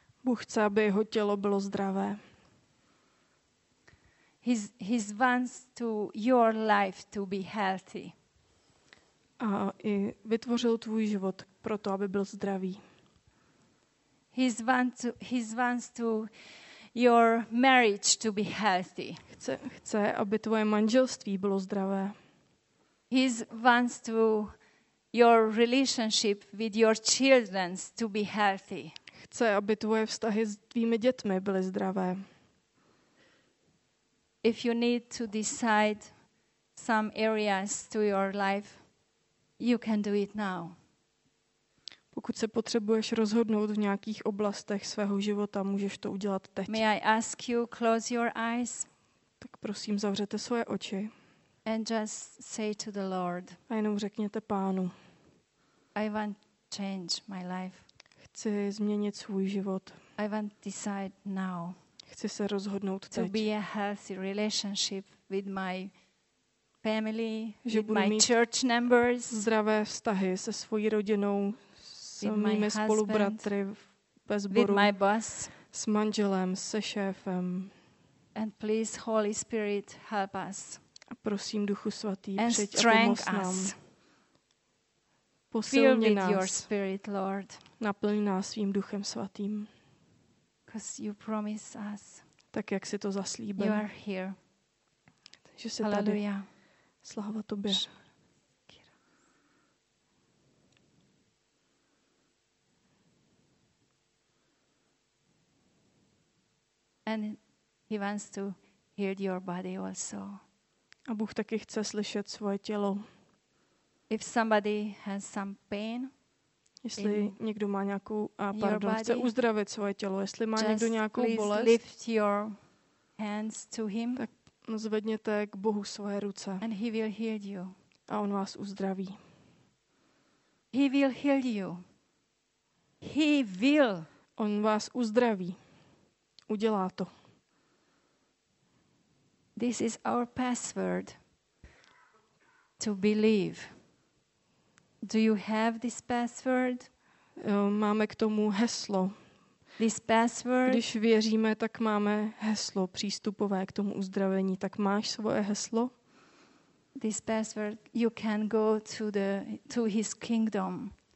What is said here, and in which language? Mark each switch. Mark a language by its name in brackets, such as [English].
[Czech] Bůh chce, aby jeho tělo bylo zdravé. [English] His wants to your life to be healthy. [Czech] A i vytvořil tvůj život proto, aby byl zdravý. [English] His wants to your marriage to be healthy. [Czech] Chce, aby tvoje manželství bylo zdravé. [English] His wants to your relationship with your children to be healthy. [Czech] Chce, aby tvoje vztahy s tvými dětmi byly zdravé. [English] If you need to decide some areas to your life, you can do it now. [Czech] Pokud se potřebuješ rozhodnout v nějakých oblastech svého života, můžeš to udělat teď. [English] May I ask you, close your eyes? [Czech] Tak prosím, zavřete svoje oči. [English] And just say to the Lord. [Czech] A jenom řekněte Pánu. [English] I want to change my life. [Czech] Chci změnit svůj život. [English] I want to decide now. [Czech] Chci se rozhodnout teď. [English] To be a healthy relationship with my family, [Czech] že [English] with my church members, [Czech] zdravé vztahy se svojí rodinou, s mými spolubratry ve sboru, [English] with my boss, [Czech] s manželem, se šéfem. [English] And please Holy Spirit help us. [Czech] A prosím Duchu svatý, přijď a pomoz nám. Posilni nás. [English] Your spirit, Lord. [Czech] Naplň nás svým Duchem svatým. [English] Because you promise us. [Czech] Tak jak si to zaslíbil. [English] You are here. [Czech] Že jsi tady. Sláva tobě. [English] And he wants to hear your body also. [Czech] A Bůh taky chce slyšet svoje tělo. [English] If somebody has some pain, [Czech] jestli někdo má nějakou, chce uzdravit svoje tělo, jestli má někdo nějakou bolest, [English] lift your hands to him, [Czech] tak zvedněte k Bohu svoje ruce. [English] And he will heal you. [Czech] A on vás uzdraví. [English] He will heal you. He will. [Czech] On vás uzdraví. Udělá to. [English] This is our password to believe. Do you have this password? [Czech] Máme k tomu heslo. [English] This password. [Czech] Když věříme, tak máme heslo přístupové k tomu uzdravení. Tak máš svoje heslo? [English] This password, you can go to his kingdom.